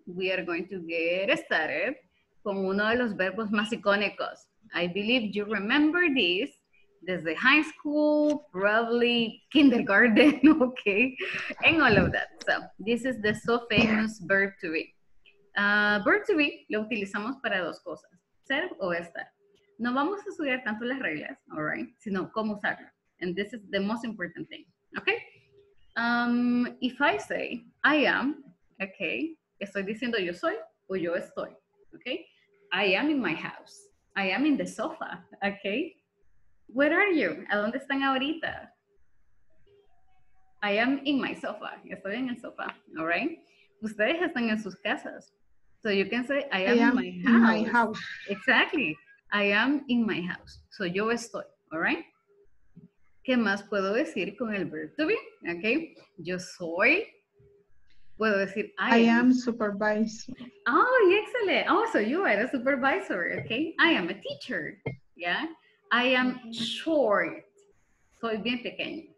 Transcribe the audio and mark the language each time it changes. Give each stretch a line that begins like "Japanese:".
English: We are going to get started
Spanish: con uno de los verbos más icónicos.
English: I believe you remember this. Desde high school, probably kindergarten, okay, and all of that. So, this is the so famous verb to be.
Spanish: Verb to be lo utilizamos para dos cosas, ser o estar. No vamos a estudiar tanto las reglas, all right, sino cómo usarlo.
English: And this is the most important thing, okay? If I say, I am, okay,
Spanish: estoy diciendo yo soy o yo estoy,
English: okay? I am in my house. I am in the sofa, okay? Where are you?
Spanish: ¿A dónde están ahorita?
English: I am in my sofa.
Spanish: Estoy en el sofá. All right. Ustedes están en sus casas.
English: So you can say, I am in my house. Exactly. I am in my house. So
Spanish: yo estoy.
English: All right.
Spanish: ¿Qué más puedo decir con el verb to be? Okay. Yo soy. Puedo decir,
English: I am supervisor. Oh, excellent. Oh, so you are a supervisor. Okay. I am a teacher. Yeah. I am short.
Spanish: Soy bien pequeño.